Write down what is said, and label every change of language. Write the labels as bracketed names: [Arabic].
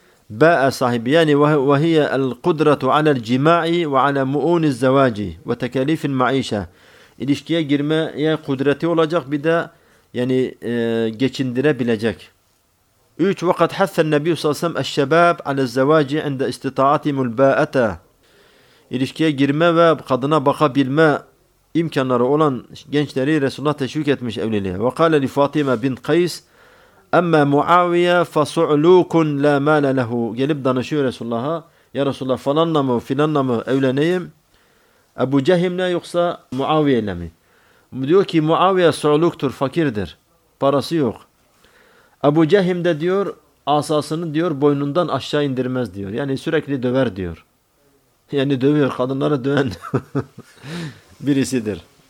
[Arabic] باء صاحبي يعني, وهي القدرة على الجماع وعلى مؤون الزواج وتكاليف المعيشة. [Turkish] İlişkiye girmeye kudreti olacak, bir de yani geçindirebilecek. 3. [Arabic] وقد حث النبي صلى الله عليه وسلم الشباب على الزواج عند استطاعتهم الباءة. [Turkish] İlişkiye girme ve kadına bakabilme imkanları olan gençleri Resulullah teşvik etmiş evliliğe. [Arabic] وقال لفاطمة بنت قيس اما معاويه فصعلوك لا مال له. [Turkish] Gelip danışıyor Resulullah'a, ya Resulullah falanla mı filanla mı evleneyim, Ebu Cehim'le yoksa Muaviye'yle mi? Diyor ki Muaviye su'luktur, fakirdir, parası yok. Ebu Cehim de diyor asasını diyor boynundan aşağı indirmez diyor, yani sürekli döver diyor, yani dövüyor kadınları, döven birisidir.